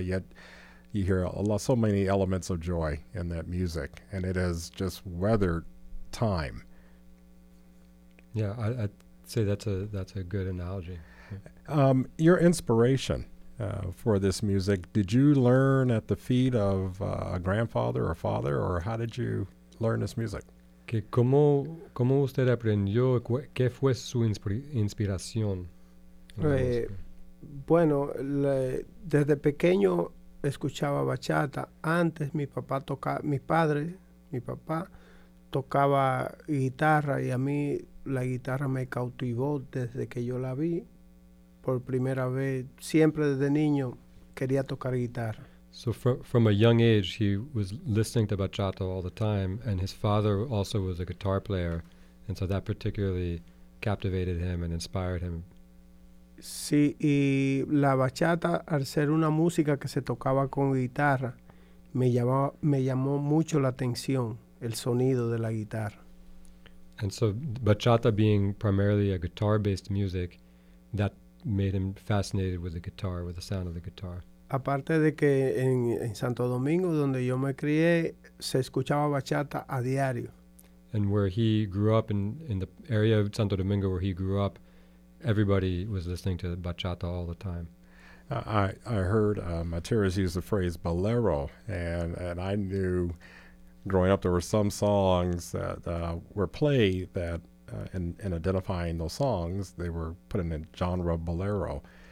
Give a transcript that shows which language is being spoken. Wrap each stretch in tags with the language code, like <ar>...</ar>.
<en>But yet you hear so many elements of joy in that music, and it has just weathered time. Yeah, I'd say that's a good analogy. Your inspiration for this music, did you learn at the feet of a grandfather or father, or how did you learn this music?</en> <es>Que cómo usted aprendió, qué fue su inspiración? Bueno, desde pequeño escuchaba bachata. Antes mi papá tocaba guitarra, y a mí la guitarra me cautivó desde que yo la vi por primera vez. Siempre desde niño quería tocar guitarra.</es> <en>So from a young age, he was listening to bachata all the time, and his father also was a guitar player, and so that particularly captivated him and inspired him.</en> <es>Sí, y la bachata, al ser una música que se tocaba con guitarra, me llamó mucho la atención el sonido de la guitarra.</es> <en>And so bachata being primarily a guitar-based music, that made him fascinated with the guitar, with the sound of the guitar.</en> <es>Aparte de que en Santo Domingo, donde yo me crié, se escuchaba bachata a diario.</es> <en>And where he grew up in the area of Santo Domingo where he grew up, everybody was listening to bachata all the time. I heard Matiras use the phrase bolero, and I knew growing up there were some songs that were played that in identifying those songs, they were put in the genre bolero.</en>